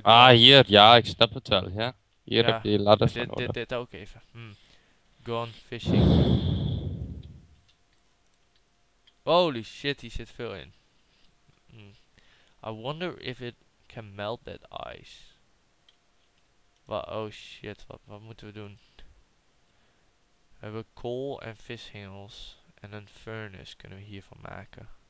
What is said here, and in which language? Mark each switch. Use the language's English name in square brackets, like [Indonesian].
[Dutch] Ah, hier, ja, ik snap het wel, ja. Hier ja, heb je die ladder van nodig. Dit ook even. [English] Gone fishing. Holy shit, [Dutch] hier zit veel in. [English] I wonder if it can melt that ice. Oh shit, [Dutch] wat moeten we doen? We hebben kool en vishengels. En een furnace kunnen we hiervan maken.